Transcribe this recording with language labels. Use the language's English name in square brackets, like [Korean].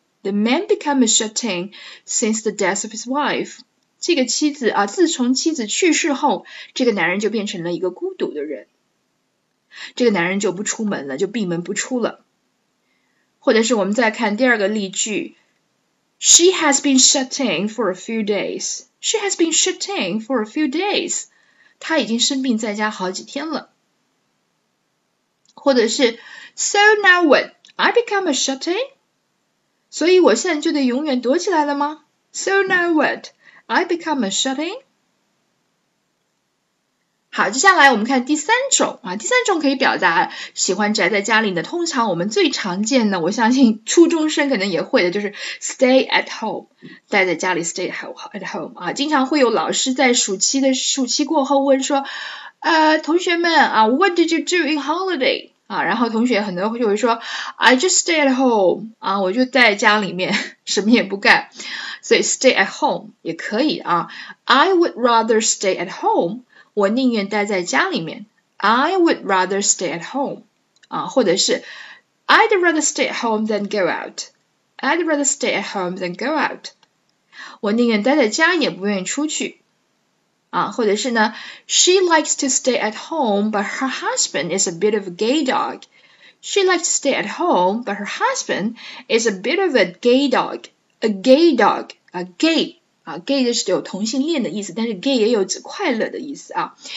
[English] The man become a shut-in since the death of his wife. [Chinese] 这个妻子自从妻子去世后，这个男人就变成了一个孤独的人。这个男人就不出门了，就闭门不出了。或者是我们再看第二个例句。 [English] She has been shut in for a few days. She has been shut in for a few days. [Chinese] 她已经生病在家好几天了。或者是 [English] So now what? I become a shut in? [Chinese] 所以我现在就得永远躲起来了吗？ [English] So now what? I become a shut in? [Chinese] 好，接下来我们看第三种第三种可以表达喜欢宅在家里的，通常我们最常见的，我相信初中生可能也会的，就是 [English] stay at home， [Chinese] 待在家里 stay at home 经常会有老师在暑期过后问说，同学们 [English] what did you do in holiday？ [Chinese] 啊，然后同学很多就会说 [English] I just stay at home [Chinese] 啊，我就在家里面什么也不干，所以 [English] stay at home [Chinese] 也可以啊。 [English] I would rather stay at home， [Chinese] 我宁愿待在家里面。 [English] I would rather stay at home 啊，或者是 I'd rather stay at home than go out。 I'd rather stay at home than go out。 [Chinese] 我宁愿待在家，也不愿意出去。啊，或者是呢， [English] She likes to stay at home, but her husband is a bit of a gay dog. She likes to stay at home, but her husband is a bit of a gay dog. A gay dog, a gay [Chinese] 啊，gay 就是有同性恋的意思，但是 gay 也有指快乐的意思啊。